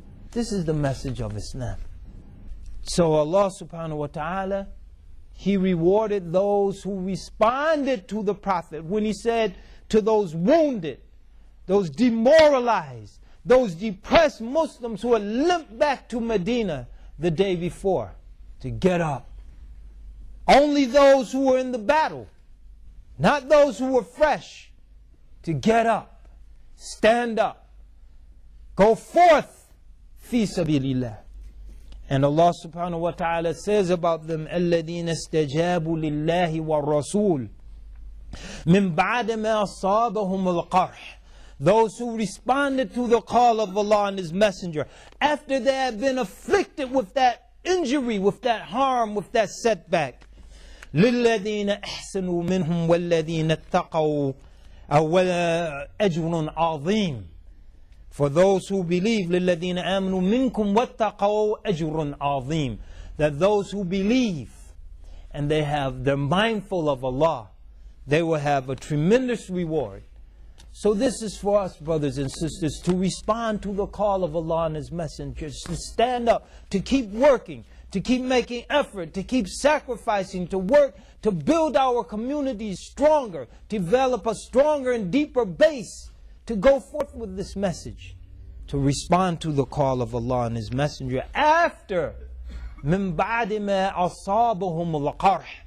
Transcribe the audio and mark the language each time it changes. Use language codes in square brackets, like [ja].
[en] This is the message of Islam. So Allah subhanahu wa ta'ala, He rewarded those who responded to the Prophet when He said to those wounded, those demoralized, those depressed Muslims who had limped back to Medina the day before, to get up. Only those who were in the battle, not those who were fresh, to get up, stand up, go forth, fi sabilillah. And Allah subhanahu wa ta'ala says about them, [ar] الَّذِينَ اسْتَجَابُوا لِلَّهِ وَالرَّسُولِ مِنْ بَعْدَ مَا أَصَابَهُمُ الْقَرْحِ. [en] Those who responded to the call of Allah and His Messenger, after they had been afflicted with that injury, with that harm, with that setback. [ar] لِلَّذِينَ أَحْسَنُوا مِنْهُمْ وَالَّذِينَ اتَّقَوْا أَوَلَا أَجْرٌ عَظِيمٌ. [en] For those who believe, [ar] لِلَّذِينَ آمَنُوا مِنْكُمْ وَاتَّقَوْا أَجْرٌ عَظِيمٌ. [en] That those who believe and they have, they're mindful of Allah, they will have a tremendous reward. So this is for us, brothers and sisters, to respond to the call of Allah and His messengers, to stand up, to keep working, to keep making effort, to keep sacrificing, to work, to build our communities stronger, develop a stronger and deeper base, to go forth with this message, to respond to the call of Allah and His Messenger after, [ar] مِن بَعْدِ مَا أَصَابَهُمُ الْقَرْحِ.